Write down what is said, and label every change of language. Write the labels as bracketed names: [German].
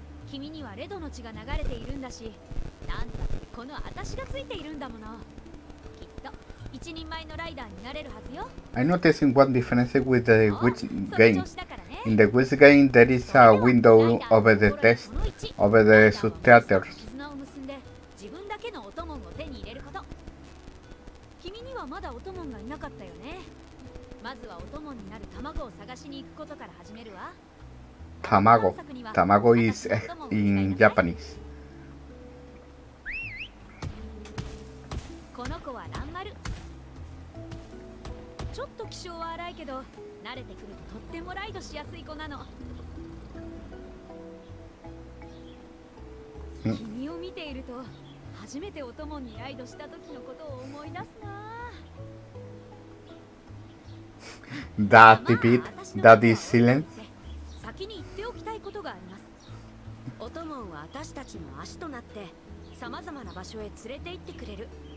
[Japanese] 君にはレドの血が流れているんだし、なんだってこの私がついているんだもの。きっと一人前のライダーになれるはずよ。 [English] I noticed one difference with the witch game. In the witch game, there is a window over the test, over the subtheaters. [Japanese] 絆を結んで自分だけのオトモンを手に入れること。君にはまだオトモンがいなかったよね。まずはオトモンになる卵を探しに行くことから始めるわ。 [English] Tamago. Tamago is in Japanese. This is a little bit of a rough, but when you get used to it, it's a very easy ride. [Japanese] 君を見ていると初めてお供にライドした時のことを思い出すな。ダーティピッダーディシレン、先に言っておきたいことがあります。お供は私たちの足となってさまざまな場所へ連れて行ってくれる。